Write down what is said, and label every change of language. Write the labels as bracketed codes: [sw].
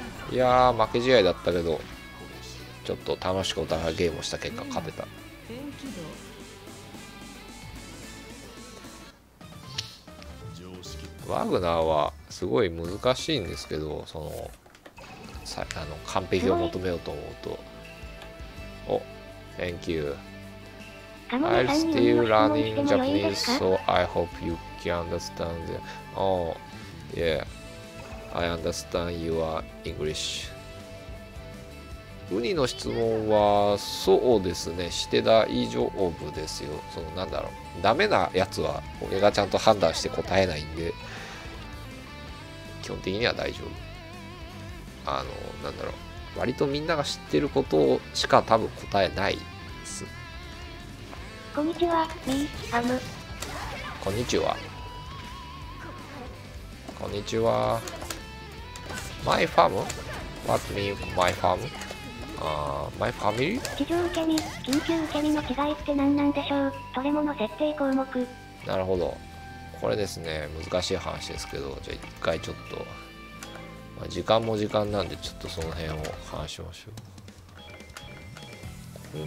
[ja] いやー、負け試合だったけど、ちょっと楽しくお互いゲームをした結果勝てた。ワグナーはすごい難しいんですけど、その、完璧を求めようと思うと。お、 [en] Thank you。 I'm still learning Japanese, so I hope you can understand. Oh, yeah, I understand your English. [ja] ウニの質問は、そうですね、して大丈夫ですよ。その、なんだろう、ダメなやつは俺がちゃんと判断して答えないんで、基本的には大丈夫。なんだろう、割とみんなが知ってることしか多分答えないです。こんにちは、ミー、アム。こんにちは。こんにちは。マイファーム [en] ?What mean my farm? [ja] マイファミリー？地上受け身、緊急受け身の違いって何なんでしょう？トレモの設定項目。なるほど。これですね、難しい話ですけど、じゃあ一回ちょっと、まあ、時間も時間なんで、ちょっとその辺を話しましょう。